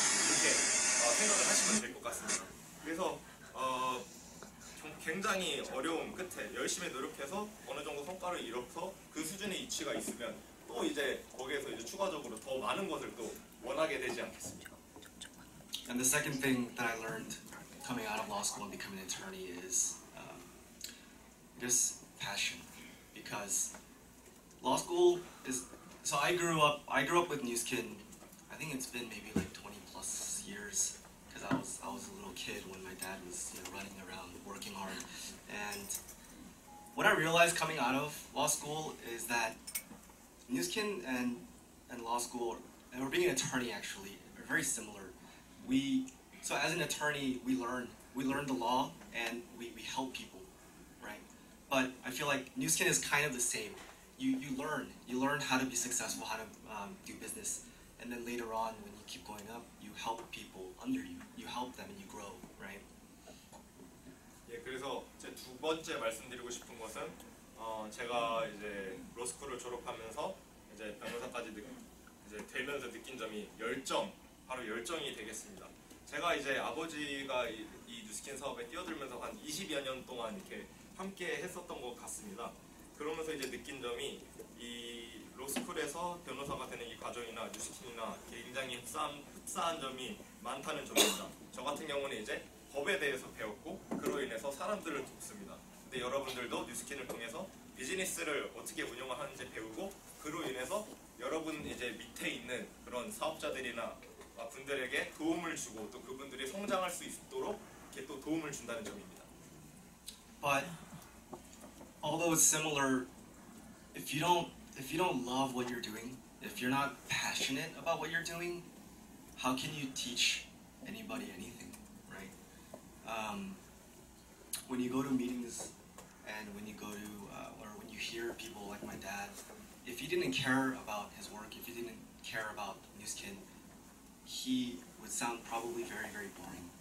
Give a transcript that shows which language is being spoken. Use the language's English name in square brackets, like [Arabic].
[Korean] 이렇게 생각을 하시면 될 것 같습니다. 그래서 굉장히 어려운 끝에 열심히 노력해서 어느 정도 성과를 이뤄서 그 수준의 위치가 있으면 또 이제 거기에서 이제 추가적으로 더 많은 것을 또 원하게 되지 않겠습니까? [English] And the second thing that I learned coming out of law school and becoming an attorney is just passion. Because law school is, so I grew up with New Skin, I think it's been maybe like 20 plus years. Because I was a little kid when my dad was, you know, running around working hard. And what I realized coming out of law school is that New Skin and law school, and or being an attorney actually, are very similar. So as an attorney, we learn the law and we help people, right? But I feel like New Skin is kind of the same. You learn how to be successful, how to do business. And then later on, when you keep going up, you help people under you. You help them and you grow, right? [Korean] 예, 그래서 제 두 번째 말씀드리고 싶은 것은 제가 이제 로스쿨을 졸업하면서 이제 변호사까지 이제 되면서 느낀 점이 열정, 바로 열정이 되겠습니다. 제가 이제 아버지가 이 뉴스킨 사업에 뛰어들면서 한 20여 년 동안 이렇게 함께 했었던 것 같습니다. 그러면서 이제 느낀 점이 이 로스쿨에서 변호사가 되는 이 과정이나 뉴스킨이나 굉장히 흡사한 점이 많다는 점입니다. 저 같은 경우는 이제 법에 대해서 배웠고 그로 인해서 사람들을 돕습니다. 근데 여러분들도 뉴스킨을 통해서 비즈니스를 어떻게 운영을 하는지 배우고 그로 인해서 여러분 이제 밑에 있는 그런 사업자들이나 분들에게 도움을 주고 또 그분들이 성장할 수 있도록 이렇게 또 도움을 준다는 점입니다. [English] But although it's similar, if you don't love what you're doing, if you're not passionate about what you're doing, how can you teach anybody anything, right? When you go to meetings and when you go to or when you hear people like my dad, if he didn't care about his work, if he didn't care about New Skin, he would sound probably very, very boring.